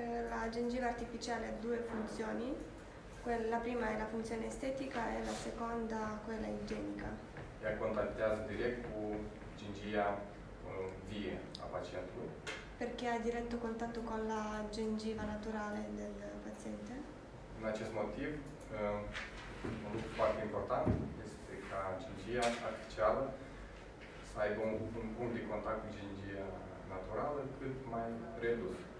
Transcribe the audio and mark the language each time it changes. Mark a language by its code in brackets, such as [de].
[it] La gengiva artificiale ha due funzioni, la prima è la funzione estetica e la seconda quella igienica. [ro] Ea contactează direct cu gingia vie a pacientului. [it] Perché ha diretto contatto con la gengiva naturale del paziente. [ro] În acest motiv, un lucru foarte important este ca gingia artificială să aibă un punct de contact cu gingia naturală cât mai redus.